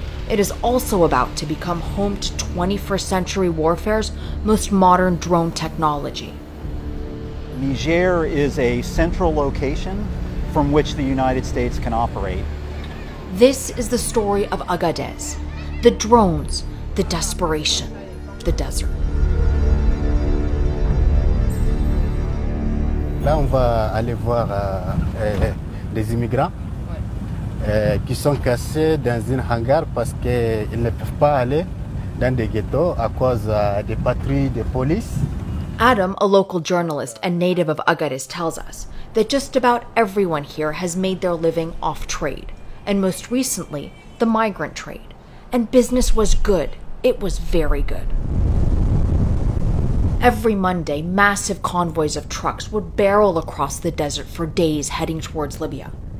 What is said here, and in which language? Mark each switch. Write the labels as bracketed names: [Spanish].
[English] It is also about to become home to 21st century warfare's most modern drone technology. Niger is a central location from which the United States can operate. This is the story of Agadez, the drones, the desperation, the desert. [French] Là, on va aller voir des immigrants qui sont cassés dans un hangar parce qu'ils ne peuvent pas aller dans des ghettos à cause des patrouilles de police. [English] Adam, a local journalist and native of Agadez, tells us that just about everyone here has made their living off trade, and most recently, the migrant trade. And business was good. It was very good. Every Monday, massive convoys of trucks would barrel across the desert for days heading towards Libya.